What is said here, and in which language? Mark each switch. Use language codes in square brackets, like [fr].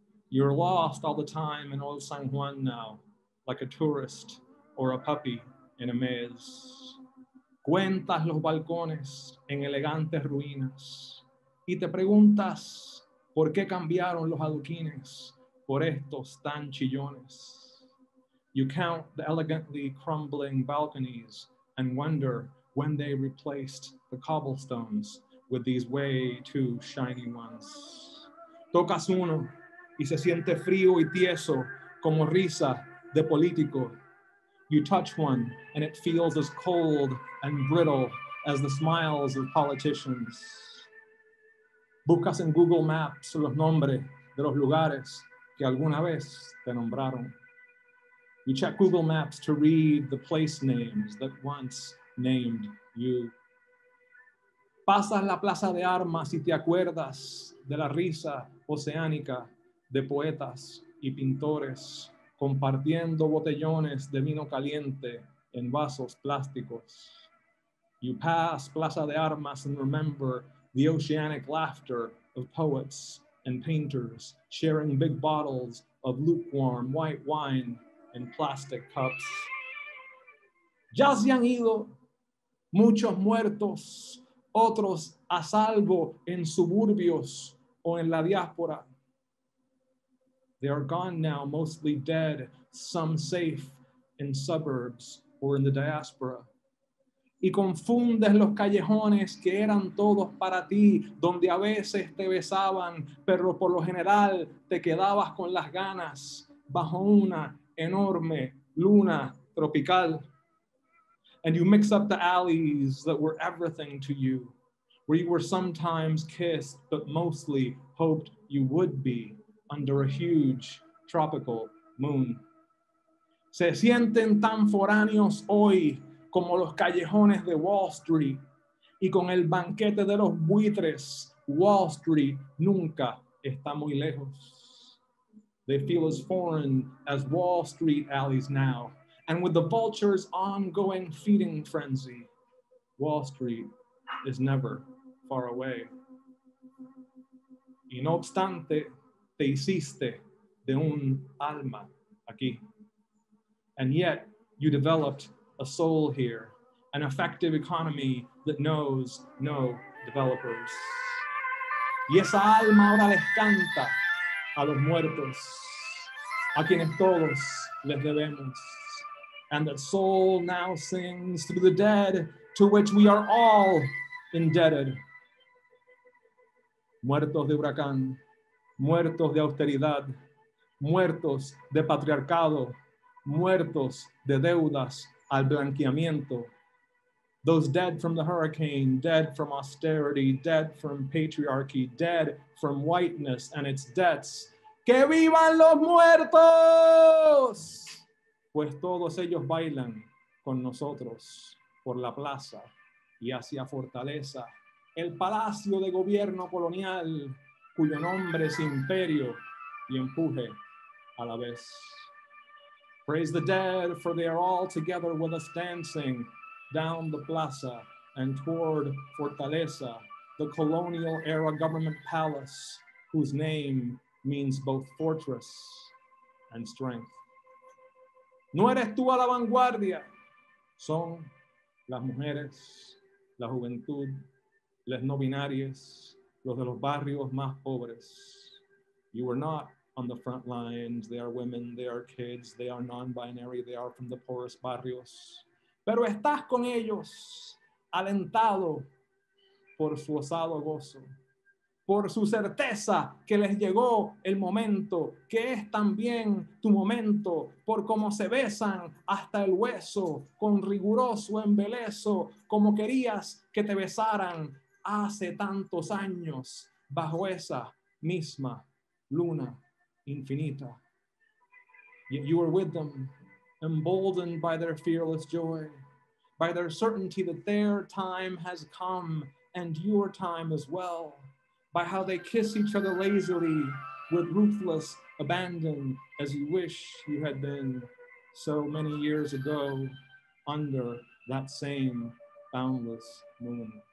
[en] You're lost all the time in old San Juan now, like a tourist or a puppy in a maze. [es] Cuentas los balcones en elegantes ruinas y te preguntas por qué cambiaron los adoquines por estos tan chillones. [en] You count the elegantly crumbling balconies and wonder when they replaced the cobblestones with these way too shiny ones. [es] Tocas uno y se siente frío y tieso como risa de político. [en] You touch one and it feels as cold and brittle as the smiles of politicians. [es] Buscas en Google Maps los nombres de los lugares que alguna vez te nombraron. [en] You check Google Maps to read the place names that once named you. [es] Pasas la plaza de armas y te acuerdas de la risa oceánica de poetas y pintores compartiendo botellones de vino caliente en vasos plásticos. [en] You pass plaza de armas and remember the oceanic laughter of poets and painters sharing big bottles of lukewarm white wine in plastic cups. [es] Ya se han ido muchos muertos, otros a salvo en suburbios o en la diáspora. [en] They are gone now, mostly dead, some safe in suburbs or in the diaspora. [es] Y confundes los callejones que eran todos para ti, donde a veces te besaban, pero por lo general te quedabas con las ganas bajo una enorme luna tropical. [en] And you mix up the alleys that were everything to you, where you were sometimes kissed, but mostly hoped you would be under a huge tropical moon. [es] Se sienten tan foráneos hoy como los callejones de Wall Street, y con el banquete de los buitres, Wall Street nunca está muy lejos. [en] They feel as foreign as Wall Street alleys now. And with the vultures' ongoing feeding frenzy, Wall Street is never far away. [es] Y no obstante, te hiciste de un alma aquí. [en] And yet, you developed a soul here, an effective economy that knows no developers. [es] Y esa alma ahora les canta a los muertos, a quienes todos les debemos. [en] And that soul now sings through the dead to which we are all indebted. [es] Muertos de huracán, muertos de austeridad, muertos de patriarcado, muertos de deudas al blanqueamiento. [en] Those dead from the hurricane, dead from austerity, dead from patriarchy, dead from whiteness and its debts. [es] ¡Que vivan los muertos! Pues todos ellos bailan con nosotros por la plaza y hacia Fortaleza, el palacio de gobierno colonial, cuyo nombre es imperio y empuje a la vez. [en] Praise the dead, for they are all together with us dancing down the plaza and toward Fortaleza, the colonial era government palace, whose name means both fortress and strength. [es] No eres tú a la vanguardia, son las mujeres, la juventud, les no binarias, los de los barrios más pobres. [en] You are not on the front lines, they are women, they are kids, they are non-binary, they are from the poorest barrios. [es] Pero estás con ellos, alentado por su osado gozo, por su certeza que les llegó el momento, que es también tu momento, por cómo se besan hasta el hueso, con riguroso embeleso, como querías que te besaran hace tantos años, bajo esa misma luna infinita. [en] Yet you were with them, emboldened by their fearless joy, by their certainty that their time has come, and your time as well, by how they kiss each other lazily with ruthless abandon, as you wish you had been so many years ago under that same boundless moon.